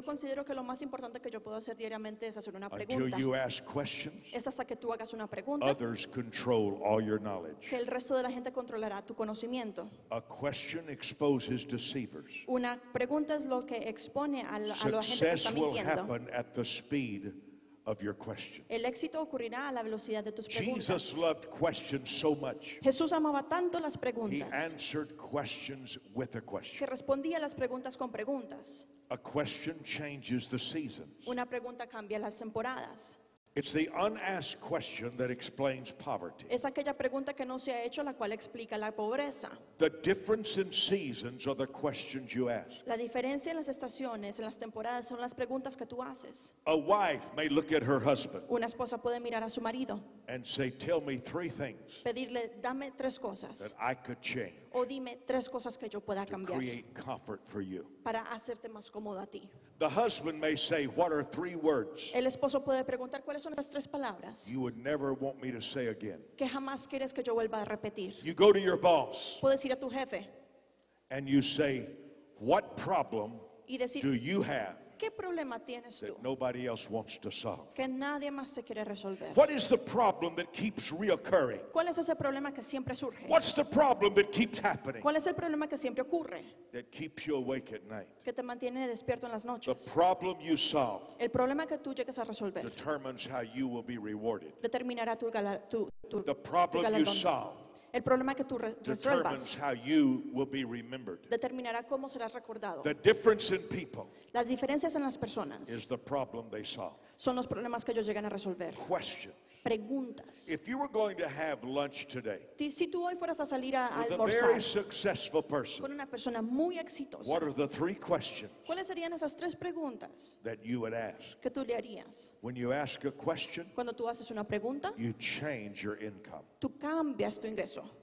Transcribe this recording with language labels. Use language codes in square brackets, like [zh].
[es] Yo considero que lo más importante que yo puedo hacer diariamente es hacer una pregunta. [en] Until you ask questions, [es] es hasta que tú hagas una pregunta. [en] Others control all your knowledge. [es] Que el resto de la gente controlará tu conocimiento. [en] A question exposes deceivers. [es] Una pregunta es lo que expone a la gente que está mintiendo. [en] Success will happen at the speed of your question. [es] El éxito ocurrirá a la velocidad de tus preguntas. [en] Jesus loved questions so much. [es] Jesús amaba tanto las preguntas. [en] He answered questions with a question. [es] Que respondía las preguntas con preguntas. [en] A question changes the seasons. [es] Una pregunta cambia las temporadas. [en] It's the unasked question that explains poverty. [es] Es aquella pregunta que no se ha hecho, la cual explica la pobreza. [en] The difference in seasons are the questions you ask. [es] La diferencia en las estaciones, en las temporadas, son las preguntas que tú haces. [en] A wife may look at her husband. [es] Una esposa puede mirar a su marido. [en] And say, "Tell me three things." [es] Pedirle, dame tres cosas. [en] That I could change. [es] O dime tres cosas que yo pueda cambiar. [en] To create comfort for you. [es] Para hacerte más cómodo a ti. [en] The husband may say, "What are three words?" [es] El esposo puede preguntar, ¿cuáles son esas tres palabras? [en] You would never want me to say again. [es] ¿Qué jamás quieres que yo vuelva a repetir? [en] You go to your boss. [es] Puedes ir a tu jefe. [en] And you say, "What problem do you have?" [es] ¿Qué problema tienes [en] that [es] tú? [en] Nobody else wants to solve. [es] Que nadie más te quiere resolver. [en] What is the problem that keeps reoccurring? [es] ¿Cuál es ese problema que siempre surge? [en] What's the problem that keeps happening? [es] ¿Cuál es el problema que siempre ocurre? [en] That keeps you awake at night. [es] Que te mantiene despierto en las noches. [en] The problem you solve. [es] El problema que tú llegas a resolver. [en] Determines how you will be rewarded. [es] Determinará tu galardón. [en] The problem you solve. [es] El problema que tú [en] determines [es] resuelvas. [en] How you will be remembered. [es] Determinará cómo serás recordado. [en] The difference in people. [es] Las diferencias en las personas. [en] Is the problem they solve. [es] Son los problemas que ellos llegan a resolver. [en] Questions. [es] Preguntas. [en] If you were going to have lunch today. [es] Si tú hoy fueras a salir a almorzar. [en] With a very successful person. [es] Con una persona muy exitosa. [en] What are the three questions? [es] ¿Cuáles serían esas tres preguntas? [en] That you would ask. [es] Que tú le harías. [en] When you ask a question. [es] Cuando tú haces una pregunta. [en] You change your income. [es] Tú cambias tu ingreso.